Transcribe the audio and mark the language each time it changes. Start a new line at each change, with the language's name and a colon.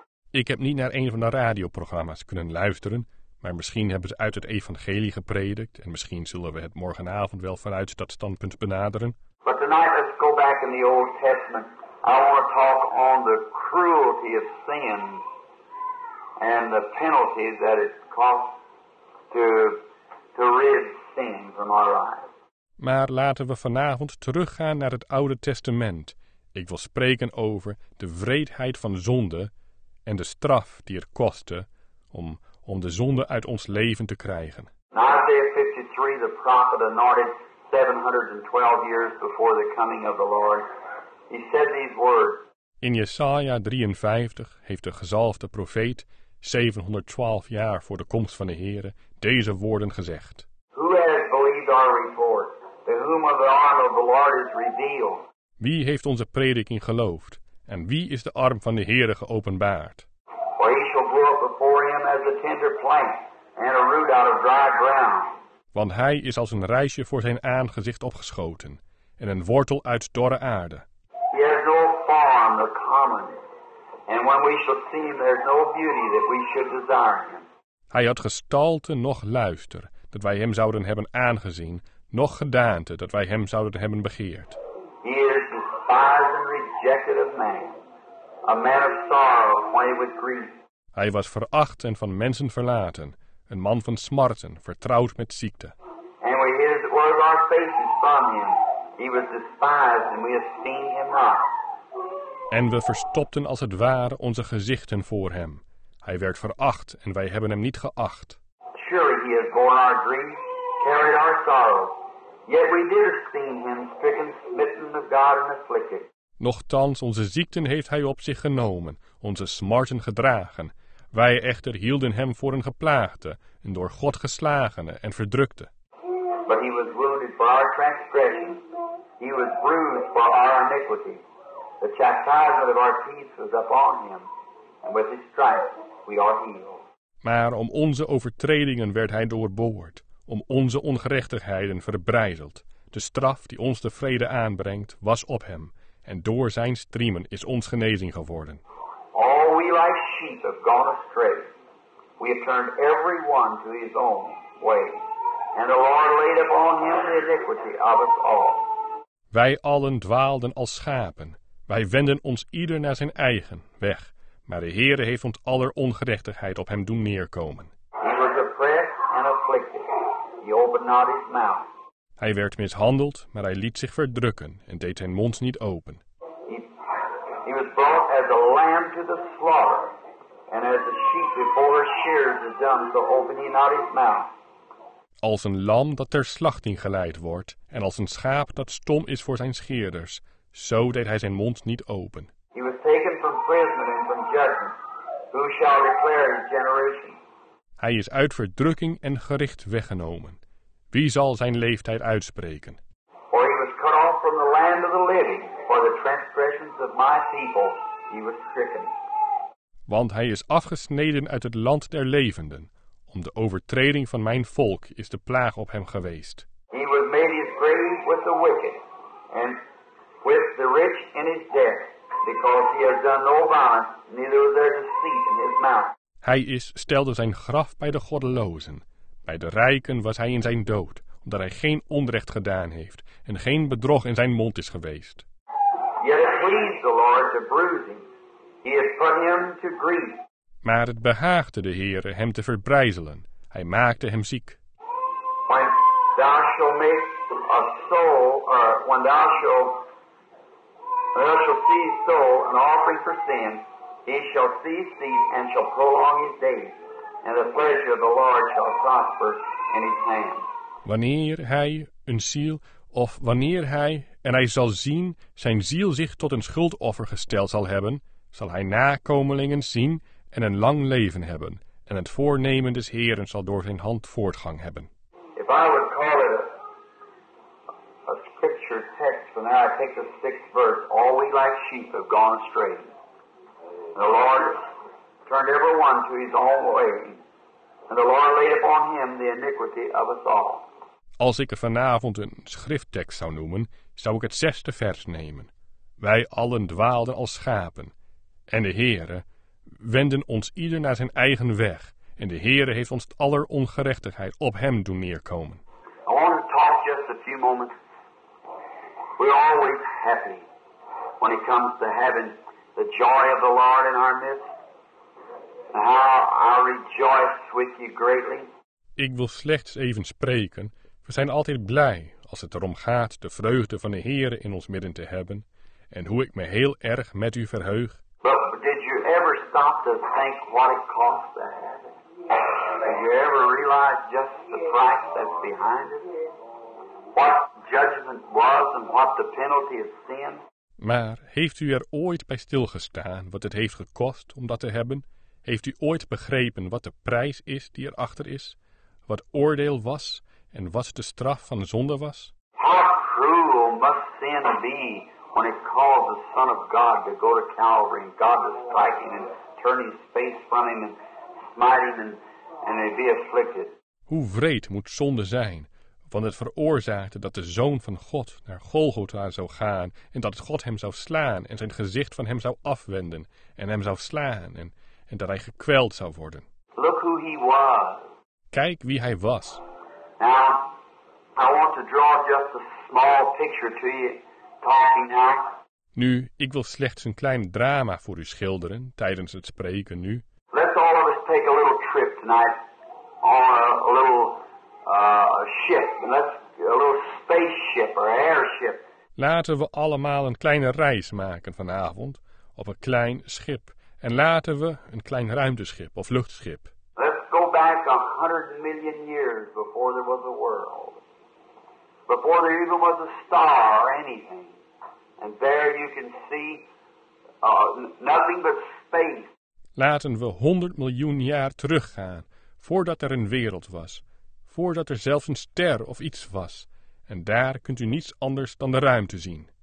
Dutch: Ik heb niet naar een van de radioprogramma's kunnen luisteren, maar misschien hebben ze uit het evangelie gepredikt en misschien zullen we het morgenavond wel vanuit dat standpunt benaderen.
English: But tonight let's go back in the Old Testament. I want to talk on the cruelty of sin. And the penalties that it costs to rid sin from our lives.
Dutch: Maar laten we vanavond teruggaan naar het Oude Testament. Ik wil spreken over de wreedheid van zonde en de straf die het kostte om de zonde uit ons leven te krijgen.
English: In Isaiah 53, the prophet anointed 712 years before the coming of the Lord. He said these words.
Dutch: In Jesaja 53 heeft de gezalfde profeet 712 jaar voor de komst van de Heere deze woorden gezegd.
English: Who has believed our report? To whom the arm of the Lord is revealed?
Dutch: Wie heeft onze prediking geloofd? En wie is de arm van de Heere geopenbaard?
English: For he shall grow up before him as a tender plant and a root out of dry ground.
Dutch: Want hij is als een rijsje voor zijn aangezicht opgeschoten en een wortel uit dorre aarde.
English: He has no farm, the common. And when we shall see him, there's no beauty that we should desire him.
Dutch: Hij had gestalte, noch luister, dat wij hem zouden hebben aangezien, noch gedaante, dat wij hem zouden hebben begeerd.
English: He is despised and rejected of man, a man of sorrow, acquainted with grief.
Dutch: Hij was veracht en van mensen verlaten, een man van smarten, vertrouwd met ziekte.
English: And we hid as it were our faces from him. He was despised and we esteemed him not.
Dutch: En we verstopten als het ware onze gezichten voor hem. Hij werd veracht en wij hebben hem niet geacht.
English: Surely he has borne our grief, carried our sorrow. Yet we did esteem him stricken, smitten of God and afflicted.
Dutch: Nochtans, onze ziekten heeft hij op zich genomen, onze smarten gedragen. Wij echter hielden hem voor een geplaagde, een door God geslagene en verdrukte.
English: But he was wounded for our transgressions. He was bruised for our iniquity. The chastisement of our peace was upon him, and with his stripes we are healed.
Dutch: Maar om onze overtredingen werd hij doorboord, om onze ongerechtigheden verbrijzeld. De straf die ons de vrede aanbrengt, was op hem, en door zijn striemen is ons genezing geworden.
English: All we like sheep have gone astray. We have turned every one to his own way. And the Lord laid upon him the iniquity of us all.
Dutch: Wij allen dwaalden als schapen. Wij wenden ons ieder naar zijn eigen weg. Maar de Heere heeft ons aller ongerechtigheid op hem doen neerkomen.
English: He was oppressed and afflicted. He opened not his mouth.
Dutch: Hij werd mishandeld, maar hij liet zich verdrukken en deed zijn mond niet open.
English: He was brought as a lamb to the slaughter, and as a sheep before her shears is dumb, so opened he not his mouth.
Dutch: Als een lam dat ter slachting geleid wordt, en als een schaap dat stom is voor zijn scheerders, zo deed hij zijn mond niet open.
English: He was taken from prison and from judgment. Who shall declare his generation?
Dutch: Hij is uit verdrukking en gericht weggenomen. Wie zal zijn leeftijd uitspreken?
English: For he was cut off from the land of the living, for the transgressions of my people he was stricken.
Dutch: Want hij is afgesneden uit het land der levenden, om de overtreding van mijn volk is de plaag op hem geweest.
English: He was made his grave with the wicked, and with the rich in his death, because he has done no violence, neither was there deceit in his mouth.
Dutch: Hij is stelde zijn graf bij de goddelozen. Bij de rijken was hij in zijn dood, omdat hij geen onrecht gedaan heeft en geen bedrog in zijn mond is geweest.
English: Yet it pleased the Lord to bruise him. He has put him to grief.
Dutch: Maar het behaagde de Heere hem te verbrijzelen. Hij maakte hem ziek.
English: When thou shalt make a soul, when thou shalt see his soul an offering for sin, he shall see seed and shall prolong his days. And the pleasure of the Lord shall prosper in his hand.
Dutch: Wanneer hij een ziel, of wanneer hij, en hij zal zien, zijn ziel zich tot een schuldoffer gesteld zal hebben, zal hij nakomelingen zien en een lang leven hebben, en het voornemen des Heeren zal door zijn hand voortgang hebben.
English: If I would call it a scripture text, and now I take the sixth verse, all we like sheep have gone astray. The Lord turned every one to his own way, and the Lord laid upon him the iniquity of us all.
Dutch: Als ik er vanavond een schrifttekst zou noemen, zou ik het zesde vers nemen. Wij allen dwaalden als schapen, en de Heere wenden ons ieder naar zijn eigen weg, en de Heere heeft ons aller ongerechtigheid op hem doen neerkomen.
English: I want to talk just a few moments. We're always happy when it comes to having the joy of the Lord in our midst. How I rejoice with you greatly.
Dutch: Ik wil slechts even spreken. We zijn altijd blij als het erom gaat de vreugde van de Heere in ons midden te hebben, en hoe ik me heel erg met u verheug.
English: But did you ever stop to think what it cost to have it? Did you ever realize just the price that's behind it? What judgment was and what the penalty of sin?
Dutch: Maar heeft u er ooit bij stilgestaan wat het heeft gekost om dat te hebben? Heeft u ooit begrepen wat de prijs is die erachter is? Wat oordeel was en wat de straf van zonde was?
English: How cruel must sin be when it calls the Son of God to go to Calvary and God to strike him and turn his face from him and smite him and they be afflicted?
Dutch: Hoe wreed moet zonde zijn, want het veroorzaakte dat de Zoon van God naar Golgotha zou gaan en dat God hem zou slaan en zijn gezicht van hem zou afwenden en hem zou slaan en dat hij gekweld zou worden.
English: Look who he was.
Dutch: Kijk wie hij was.
English: Now, I want to draw just a small picture to you, talking now.
Dutch: Nu, ik wil slechts een klein drama voor u schilderen, tijdens het spreken nu.
English: Let's all of us take a little trip tonight, on a little ship, let's a little spaceship or airship.
Dutch: Laten we allemaal een kleine reis maken vanavond, op een klein schip. En laten we een klein ruimteschip of luchtschip.
English: Let's go back 100 million years before there was a world. Before there even was a star or anything. And there you can see nothing but space.
Dutch: Laten we 100 miljoen jaar teruggaan, voordat er een wereld was. Voordat er zelfs een ster of iets was. En daar kunt u niets anders dan de ruimte zien.